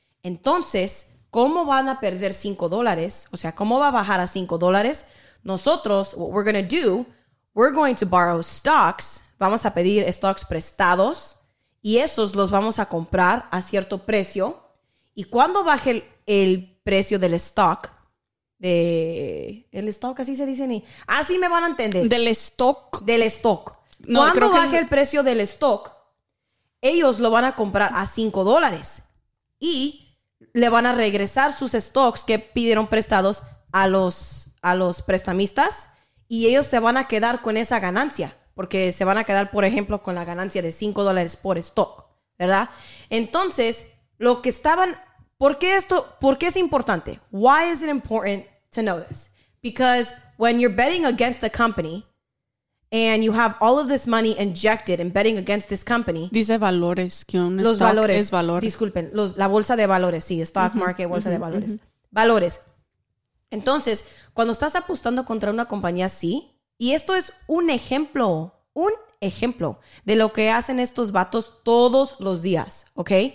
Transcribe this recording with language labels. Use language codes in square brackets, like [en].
[es] Entonces, ¿cómo van a perder $5? O sea, ¿cómo va a bajar a $5? nosotros, [en] what we're going to do, we're going to borrow stocks. [es] Vamos a pedir stocks prestados. Y esos los vamos a comprar a cierto precio. Y cuando baje el precio del stock, de el stock, así se dice, ni así me van a entender. Del stock. Del stock. No, cuando baje el precio del stock, ellos lo van a comprar a $5. Y le van a regresar sus stocks que pidieron prestados a los prestamistas. Y ellos se van a quedar con esa ganancia. Porque se van a quedar, por ejemplo, con la ganancia de $5 por stock, ¿verdad? Entonces, lo que estaban... ¿Por qué es importante? [en] Why is it important to know this? Because when you're betting against a company and you have all of this money injected and betting against this company... [es] Dice valores, que un los stock valores, es valores. Disculpen, la bolsa de valores, sí, [en] stock market, [es] bolsa de valores. Valores. Entonces, cuando estás apostando contra una compañía así... Y esto es un ejemplo de lo que hacen estos vatos todos los días, ¿ok?